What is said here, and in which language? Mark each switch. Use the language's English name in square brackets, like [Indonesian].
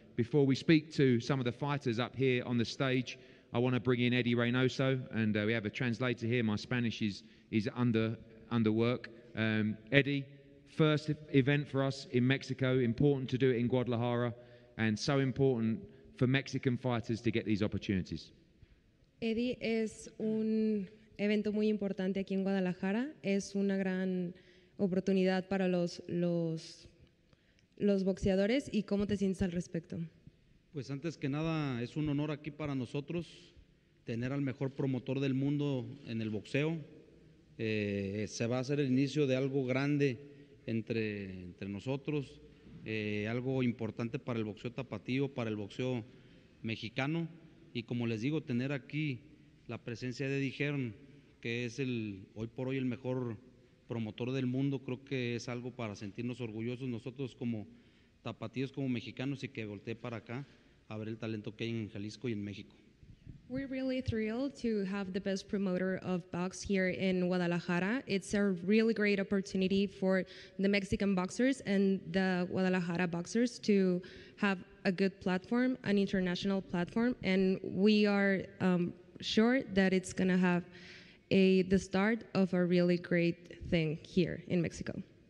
[English] Before we speak to some of the fighters up here on the stage, I want to bring in Eddie Reynoso. And we have a translator here. My Spanish is under work. Eddie, first event for us in Mexico. Important to do it in Guadalajara. And so important for Mexican fighters to get these opportunities. [Spanish] Eddie es un evento muy importante aquí en Guadalajara. Es una gran oportunidad para los boxeadores. ¿Y cómo te sientes al respecto? Pues antes que nada, es un honor aquí para nosotros tener al mejor promotor del mundo en el boxeo. Se va a hacer el inicio de algo grande entre nosotros, algo importante para el boxeo tapatío, para el boxeo mexicano. Y como les digo, tener aquí la presencia de Dijeron, que es el hoy por hoy el mejor promotor del mundo, creo que es algo para sentirnos orgullosos nosotros como tapatíos, como mexicanos, y que voltee para acá a ver el talento que hay en Jalisco y en México. [English] We're really thrilled to have the best promoter of box here in Guadalajara. It's a really great opportunity for the Mexican boxers and the Guadalajara boxers to have a good platform, an international platform, and we are sure that it's going to have the start of a really great thing here in Mexico.